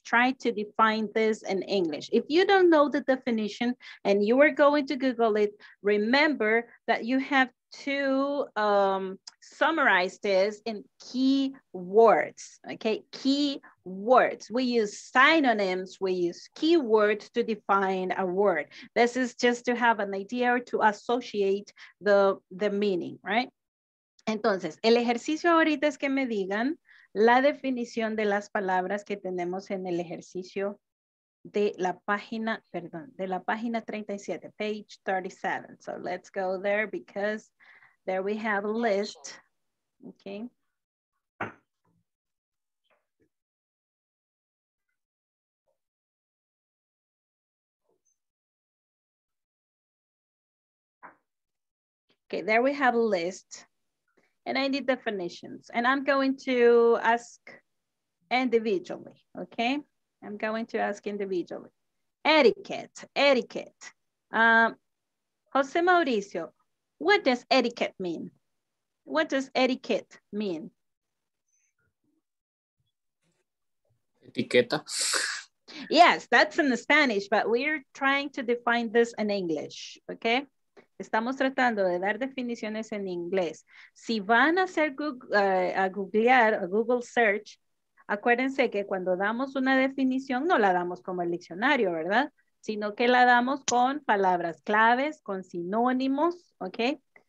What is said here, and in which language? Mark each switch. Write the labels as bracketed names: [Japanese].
[English] Try to define this in English. If you don't know the definition and you are going to Google it, remember that you have to summarize this in key words, okay? Key words. We use synonyms, we use keywords to define a word. This is just to have an idea or to associate the meaning, right? [Spanish] Entonces, el ejercicio ahorita es que me digan la definición de las palabras que tenemos en el ejercicio de la página, perdón, de la página 37, [English] page 37. So let's go there because there we have a list. Okay. Okay, there we have a list. And I need definitions. And I'm going to ask individually, okay? I'm going to ask individually. Etiquette. Jose Mauricio, what does etiquette mean? What does etiquette mean? [Spanish] Etiqueta. [English] Yes, that's in Spanish, but we're trying to define this in English, okay? [Spanish] Estamos tratando de dar definiciones en inglés. Si van a hacer Google search, acuérdense que cuando damos una definición, no la damos como el diccionario, ¿verdad? Sino que la damos con palabras claves, con sinónimos, okay?